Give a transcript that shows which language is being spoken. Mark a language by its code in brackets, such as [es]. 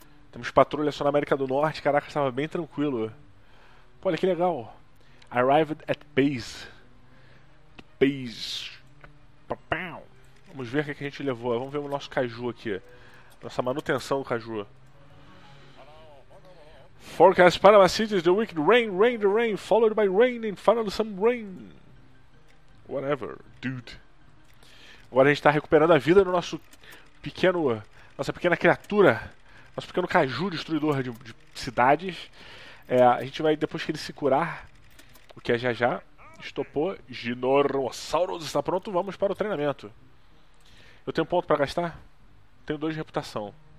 [pt] Temos patrulha só na América do Norte. Caraca, estava bem tranquilo. Pô, olha que legal. [en] Arrived at base. Base. [pt] Vamos ver o que a gente levou. Vamos ver o nosso caju aqui. Nossa manutenção do caju. [en] Forecast Panama City is the wicked rain, rain, the rain, followed by rain and finally some rain. Whatever, dude. [pt] Agora a gente está recuperando a vida no nosso pequeno. Nossa pequena criatura. Nosso pequeno caju destruidor de cidades. É, a gente vai, depois que ele se curar, o que é já já. Estopou. Ginorossauros está pronto. Vamos para o treinamento. Eu tenho um ponto para gastar? Tenho dois de reputação.